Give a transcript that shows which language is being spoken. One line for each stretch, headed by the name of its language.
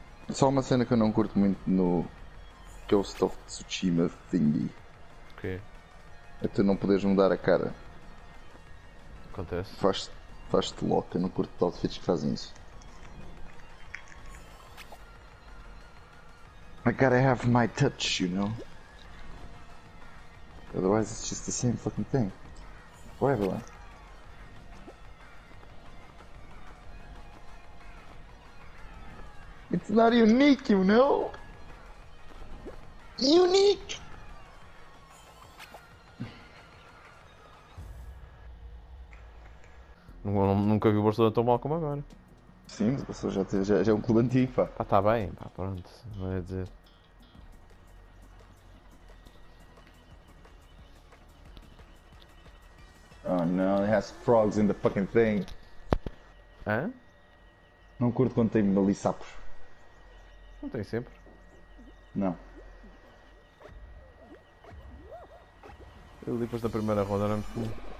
Portuguese: Só uma cena que eu não curto muito no Ghost of Tsushima thingy. O quê? É tu não poderes mudar a cara. Acontece. Faz-te louco, eu não curto de outfits que fazem isso.
English: I gotta have my touch, you know? Otherwise it's just the same fucking thing. For everyone. It's not unique, you know? Unique!
Portuguese: Nunca vi o Barcelona tão mal como agora. Sim, mas o Barcelona já é um clube antigo, pá. Ah, tá bem, pá, pronto. Não é dizer.
English: Oh no, it has frogs in the fucking thing. Hã?
Portuguese: Não curto quando tem ali sapos. Não tem sempre. Não. Ele depois da primeira roda era muito comum.